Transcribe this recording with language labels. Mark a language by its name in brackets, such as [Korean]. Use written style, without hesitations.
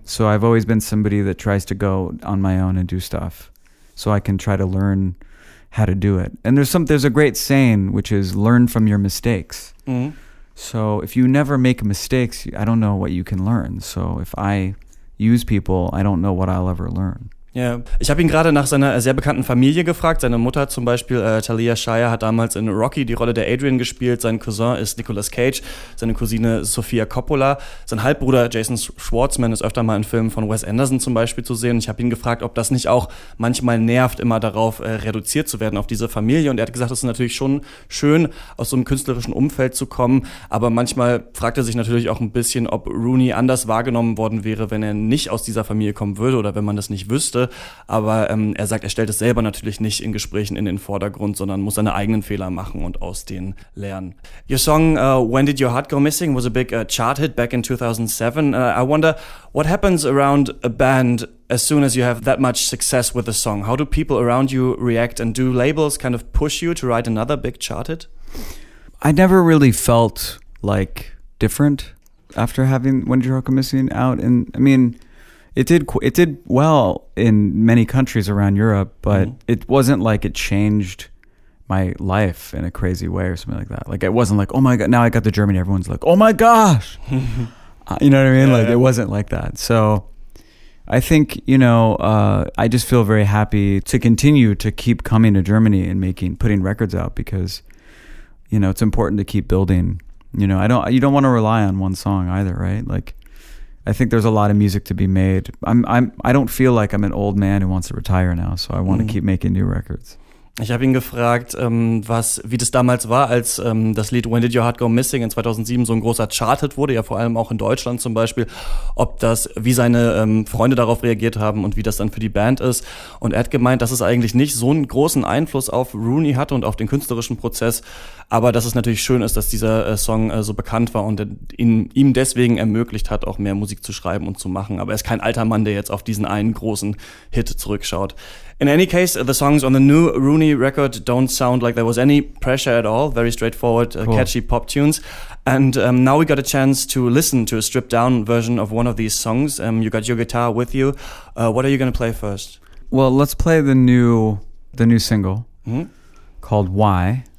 [English] So I've always been somebody that tries to go on my own and do stuff so I can try to learn how to do it. And there's a great saying, which is learn from your mistakes. Mm. So if you never make mistakes, I don't know what you can learn. So if I use people, I don't know what I'll ever learn. Ja, yeah. [German] Ich habe ihn gerade nach seiner sehr bekannten Familie gefragt. Seine Mutter zum Beispiel, Talia Shire, hat damals in Rocky die Rolle der Adrian gespielt. Sein Cousin ist Nicolas Cage, seine Cousine Sofia Coppola. Sein Halbbruder Jason Schwartzman ist öfter mal in Filmen von Wes Anderson zum Beispiel zu sehen. Ich habe ihn gefragt, ob das nicht auch manchmal nervt, immer darauf reduziert zu werden, auf diese Familie. Und er hat gesagt, es ist natürlich schon schön, aus so einem künstlerischen Umfeld zu kommen. Aber manchmal fragt er sich natürlich auch ein bisschen, ob Rooney anders wahrgenommen worden wäre, wenn er nicht aus dieser Familie kommen würde oder wenn man das nicht wüsste. Aber er sagt, er stellt es selber natürlich nicht in Gesprächen in den Vordergrund, sondern muss seine eigenen Fehler machen und aus denen lernen. [English] Your song When Did Your Heart Go Missing was a big chart hit back in 2007. I wonder, what happens around a band as soon as you have that much success with a song? How do people around you react and do labels kind of push you to write another big chart hit? I never really felt like different after having When Did Your Heart Go Missing out. It did well in many countries around Europe, but it wasn't like it changed my life in a crazy way or something like that. Like, it wasn't like, oh my God, now I got to Germany. Everyone's like, oh my gosh. You know what I mean? Yeah, like, it wasn't like that. So I think, I just feel very happy to continue to keep coming to Germany and putting records out because, it's important to keep building. You don't want to rely on one song either, right? Like, I think there's a lot of music to be made. I don't feel like I'm an old man who wants to retire now, so I want to keep making new records. [German] Ich habe ihn gefragt, wie das damals war, als das Lied When Did Your Heart Go Missing in 2007 so ein großer Chart hit wurde, ja vor allem auch in Deutschland zum Beispiel, ob das, wie seine Freunde darauf reagiert haben und wie das dann für die Band ist. Und er hat gemeint, dass es eigentlich nicht so einen großen Einfluss auf Rooney hatte und auf den künstlerischen Prozess, aber dass es natürlich schön ist, dass dieser Song so bekannt war und ihm deswegen ermöglicht hat, auch mehr Musik zu schreiben und zu machen. Aber er ist kein alter Mann, der jetzt auf diesen einen großen Hit zurückschaut. [English] In any case, the songs on the new Rooney record don't sound like there was any pressure at all. Very straightforward, cool, catchy pop tunes. And now we got a chance to listen to a stripped down version of one of these songs. You got your guitar with you. What are you going to play first? Well, let's play the new single called Why.